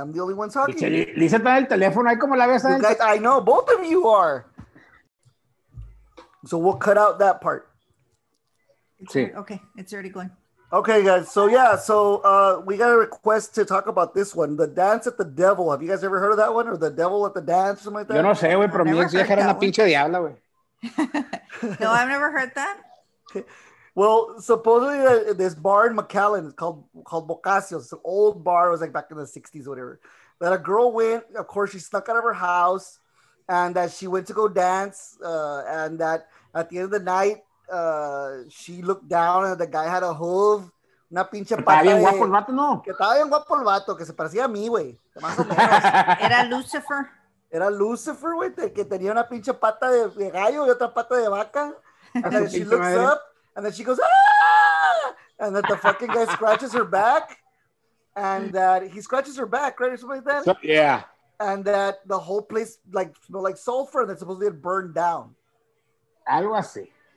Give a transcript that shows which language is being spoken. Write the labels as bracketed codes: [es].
[en] I'm the only one talking. Guys, I know, both of you are. So we'll cut out that part. Okay, it's already going. Okay, guys. So yeah, we got a request to talk about this one, the dance at the devil. Have you guys ever heard of that one, or the devil at the dance, something like that? [es] Yo no sé, güey, pero mi ex vieja era una pinche diabla, güey. [en] No, I've never heard that. Well, supposedly this bar in McAllen called Bocasio's, an old bar, it was like back in the 60s, or whatever. That a girl went. Of course, she snuck out of her house. And that she went to go dance, and that at the end of the night, she looked down and the guy had a hoof, [es] una pinche pata. Estaba bien guapo el vato, ¿no? Que estaba bien guapo el vato, que se parecía a mí, güey. Era Lucifer. Era Lucifer, güey, que tenía una pinche pata de gallo y otra pata de vaca. [en] And then she looks up, and then she goes, ah! And that the fucking guy scratches her back, and that he scratches her back, right, or something like that? So, yeah. And that the whole place like smelled like sulfur, and that supposedly it burned down. [es] Algo así.